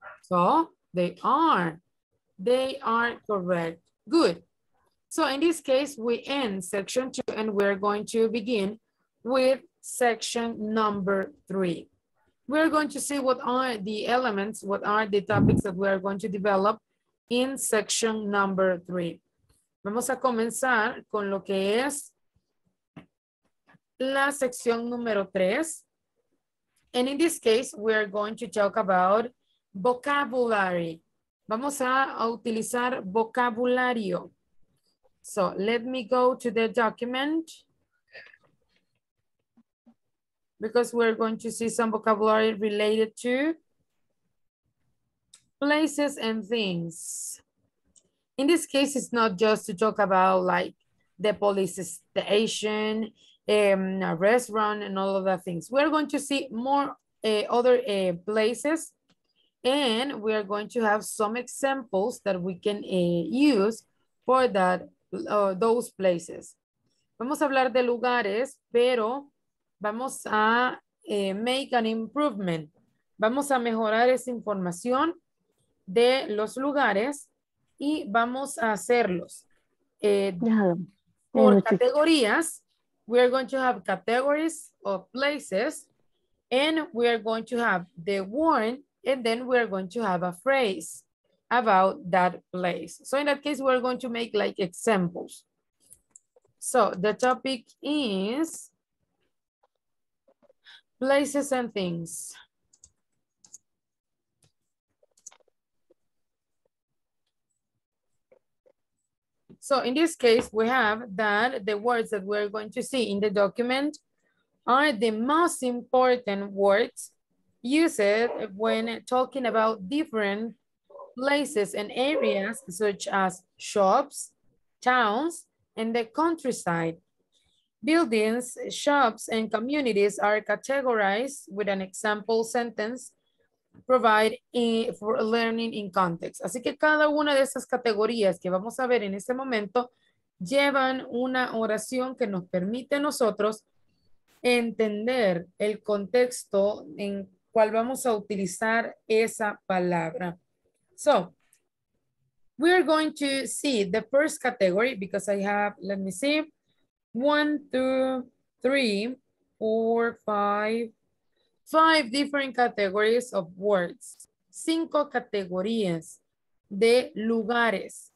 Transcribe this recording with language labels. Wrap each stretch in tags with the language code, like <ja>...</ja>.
<en>So they are. They are correct. Good. So in this case, we end section two and we're going to begin with section number three. We're going to see what are the elements, what are the topics that we are going to develop in section number three.</en> <es>Vamos a comenzar con lo que es la sección número tres.</es> <en>And in this case, we're going to talk about vocabulary.</en> <es>Vamos a utilizar vocabulario.</es> <en>So let me go to the document because we're going to see some vocabulary related to places and things. In this case, it's not just to talk about like the police station, a restaurant and all of the things. We're going to see more other places. And we are going to have some examples that we can use for that, those places.</en> <es>Vamos a hablar de lugares, pero vamos a</es> <en>make an improvement.</en> <es>Vamos a mejorar esa información de los lugares y vamos a hacerlos por categorías.</es> <en>We are going to have categories of places and we are going to have the word. And then we're going to have a phrase about that place. So in that case, we're going to make like examples. So the topic is places and things. So in this case, we have that the words that we're going to see in the document are the most important words use it when talking about different places and areas such as shops, towns, and the countryside. Buildings, shops, and communities are categorized with an example sentence provided for learning in context.</en> <es>Así que cada una de esas categorías que vamos a ver en este momento llevan una oración que nos permite a nosotros entender el contexto en cual vamos a utilizar esa palabra.</es> <en>So, we are going to see the first category because I have, let me see, 1, 2, 3, 4, 5 different categories of words.</en> <es>5 categorías de lugares.</es>